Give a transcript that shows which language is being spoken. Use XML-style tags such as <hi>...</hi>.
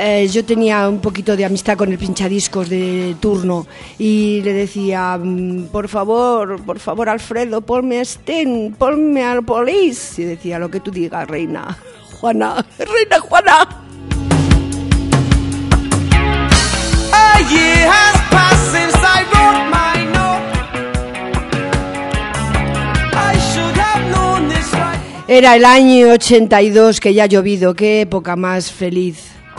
<es>Yo tenía un poquito de amistad con el pinchadiscos de turno y le decía, por favor, Alfredo, ponme a Sting, ponme al Police. Y decía, lo que tú digas, reina Juana, reina Juana.</es> <en>A year has passed since I wrote my note. I should have known this right.</en> <es>Era el año 82, que ya ha llovido, qué época más feliz.</es>